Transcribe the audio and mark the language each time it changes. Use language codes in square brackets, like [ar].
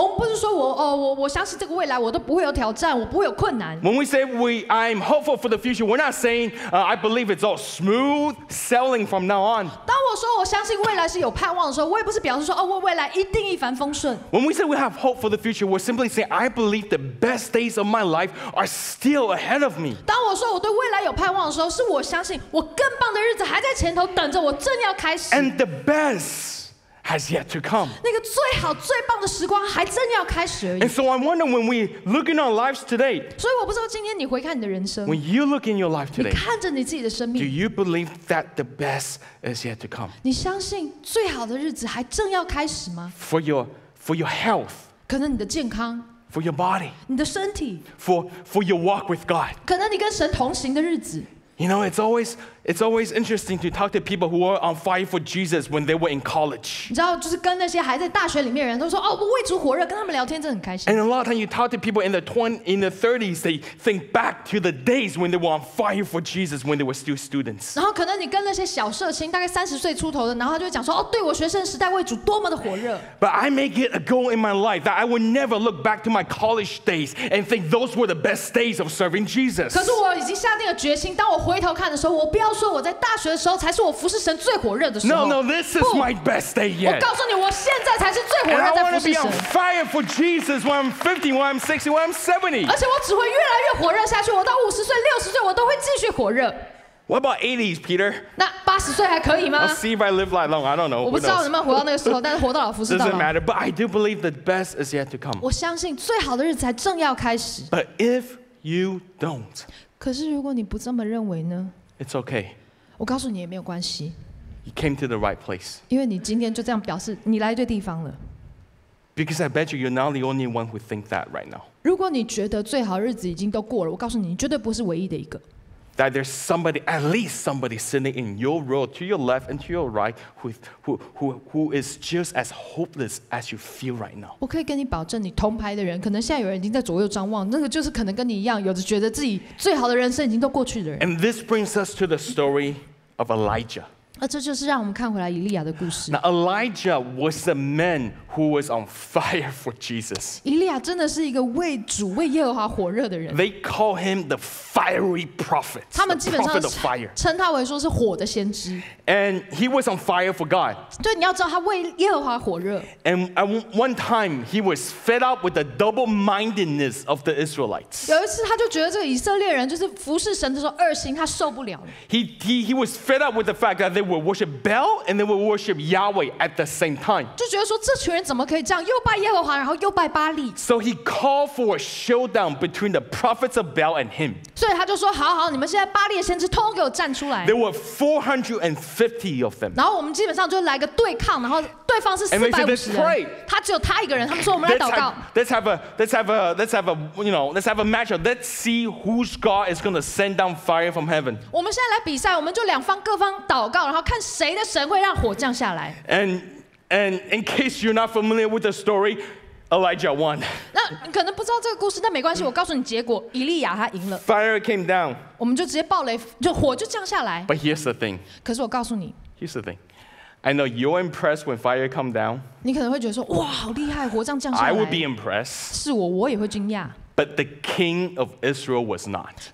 [zh] 我们不是说我相信这个未来我都不会有挑战，我不会有困难。 [en] When we say I'm hopeful for the future, we're not saying I believe it's all smooth sailing from now on. [zh] 当我说我相信未来是有盼望的时候，我也不是表示说我未来一定一帆风顺。 [en] When we say we have hope for the future, we're simply saying I believe the best days of my life are still ahead of me. [zh] 当我说我对未来有盼望的时候，是我相信我更棒的日子还在前头等着我。 [en] And the best has yet to come. [zh] 那个最好最棒的时光还真要开始而已。 [en] And so I wonder when we look in our lives today. [zh] 所以我不知道今天你回看你的人生。 [en] When you look in your life today, [zh] 你看着你自己的生命。 [en] Do you believe that the best is yet to come? [zh] 你相信最好的日子还正要开始吗 [en] ？For your health. [zh] 可能你的健康。 [en] For your body. [zh] 你的身体。 [en] For your walk with God. [zh] 可能你跟神同行的日子。 [en] You know, it's always interesting to talk to people who are on fire for Jesus when they were in college. [zh] 你知道，就是跟那些还在大学里面人都说，哦，我为主火热，跟他们聊天真的很开心。 [en] And a lot of time you talk to people in the 30s, they think back to the days when they were on fire for Jesus when they were still students. [zh] 然后可能你跟那些小社青，大概30岁出头的，然后就会讲说，哦，对我学生时代为主多么的火热。 [en] But I may get a goal in my life that I will never look back to my college days and think those were the best days of serving Jesus. [zh] 可是我已经下定了决心，当我回头看的时候，我不要说我在大学的时候才是我服侍神最火热的时候。 [en] No, this is my best day yet. [zh] 我告诉你，我现在才是最火热在服侍神。 [en] And I want to be on fire for Jesus when I'm 50, when I'm 60, when I'm 70. [zh] 而且我只会越来越火热下去。我到50岁、60岁，我都会继续火热。 [en] What about 80s, Peter? [zh] 那八十岁还可以吗 [en] ？I'll see if I live that long. I don't know. [zh] 我不知道能不能活到那个时候，但是活到老服侍到老。 [en] Doesn't matter. But I do believe the best is yet to come. [zh] 我相信最好的日子才正要开始。 [en] But if you don't. [zh] 可是如果你不这么认为呢？ [en] It's okay. [zh] 我告诉你也没有关系。 [en] You came to the right place. [zh] 因为你今天就这样表示你来对地方了。 [en] Because I bet you you're not the only one who thinks that right now. [zh] 如果你觉得最好日子已经都过了，我告诉你，你绝对不是唯一的一个。 [en] That there's somebody, at least somebody, sitting in your row, to your left and to your right, who is just as hopeless as you feel right now. [zh] 我可以跟你保证，你同排的人，可能现在有人已经在左右张望，那个就是可能跟你一样，有着觉得自己最好的人生已经都过去的人。 [en] And this brings us to the story of Elijah. [zh] 这就是让我们看回来以利亚的故事。 [en] Now Elijah was a man who was on fire for Jesus. [zh] 以利亚真的是一个为主、为耶和华火热的人。 [en] They call him the fiery prophet. [zh] 他们基本上称他为说是火的先知。 [en] And he was on fire for God. [zh] 对，你要知道他为耶和华火热。 [en] And at one time he was fed up with the double-mindedness of the Israelites. [zh] 有一次他就觉得这个以色列人就是服侍神的时候二心，他受不了了。 [en] He was fed up with the fact that they would worship Baal and they would worship Yahweh at the same time. [zh] 就觉得说这群人怎么可以这样，又拜耶和华，然后又拜巴利。 [en] So he called for a showdown between the prophets of Baal and him. [zh] 所以他就说，好好，你们现在巴利的先知，通给我站出来。 [en] There were 450 of them. [zh] 然后我们基本上就来个对抗，然后对方是450人，他只有他一个人。他们说，我们来祷告。 [en] Let's have a matchup. Let's see whose God is going to send down fire from heaven. [zh] 我们现在来比赛，我们就两方各方祷告，然后看谁的神会让火降下来。 [en] And in case you're not familiar with the story, Elijah won. [zh] 那你可能不知道这个故事，但没关系，我告诉你结果，以利亚他赢了。 [en] Fire came down. [zh] 我们就直接爆雷，就火就降下来。 [en] But here's the thing. [zh] 可是我告诉你。 [en] Here's the thing. I know you're impressed when fire come down. [zh] 你可能会觉得说，哇，好厉害，火这样降下来。 [en] I would be impressed. [zh] 是我也会惊讶。 [en] But the king of Israel was not.